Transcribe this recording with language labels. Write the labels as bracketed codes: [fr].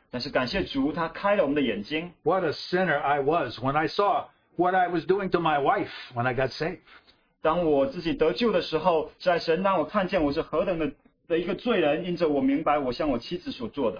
[zh] 但是感谢主，他开了我们的眼睛。 [en] What a sinner I was when I saw what I was doing to my wife when I got saved. [zh] 当我自己得救的时候，在神让我看见我是何等的一个罪人，因着我明白我向我妻子所做的。